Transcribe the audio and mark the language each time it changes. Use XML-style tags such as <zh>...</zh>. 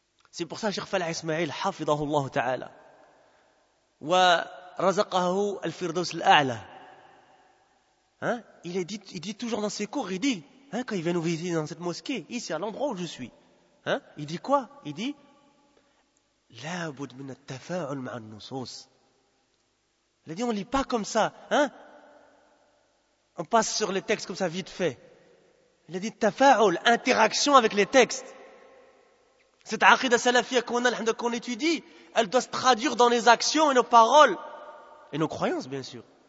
<fr>C'est pour ça que Cheikh Falah Ismail,</fr> <ar>حَفِظَهُ اللَّهُ تَعَالَى وَرَزَقَهُ الْفِرْدَوْسِ الْأَعْلَى.</ar> <fr>Il dit toujours dans ses cours, il dit, hein, quand il vient nous visiter dans cette mosquée, ici, à l'endroit où je suis, hein, il dit quoi? Il dit,</fr> <ar>لابد من التفاعل مع النصوص.</ar> <fr>Il a dit, on lit pas comme ça, hein? On passe sur les textes comme ça vite fait. Il a dit, التفاعل, interaction avec les textes. Cette aqida salafia qu'on étudie, elle doit se traduire dans les actions et nos paroles et nos croyances, bien sûr.</fr>